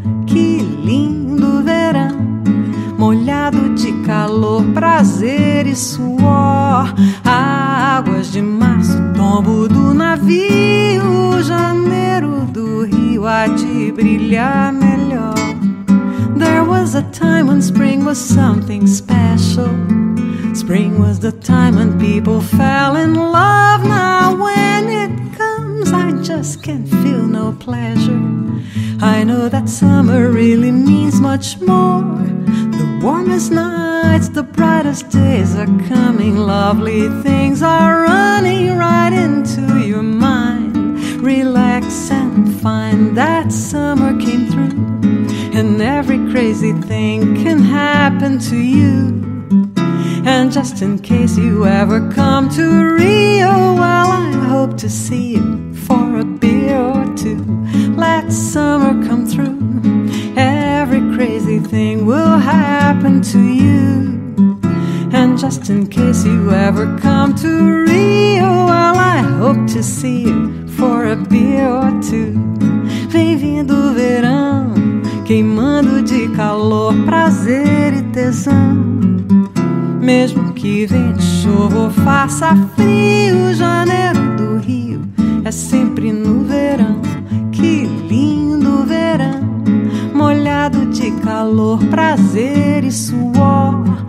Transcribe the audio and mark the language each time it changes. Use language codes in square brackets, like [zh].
[pt] Que lindo verão, molhado de calor, prazer e suor. Águas de março, tombo do navio, janeiro do Rio há de brilhar melhor. [en] There was a time when spring was something special. Spring was the time when people fell in love. Now when it comes, I just can't feel no pleasure. I know that summer really means much more. The warmest nights, the brightest days are coming. Lovely things are running right into your mind. Relax and find that summer came through. And every crazy thing can happen to you. And just in case you ever come to Rio, well, I hope to see you for a beer or two. Let summer come through. Every crazy thing will happen to you. And just in case you ever come to Rio, well, I hope to see you for a beer or two. [pt] Bem-vindo o verão, queimando de calor, prazer e tesão. Mesmo que vente, chova ou faça frio, janeiro do Rio é sempre no verão. Que lindo verão, molhado de calor, prazer e suor.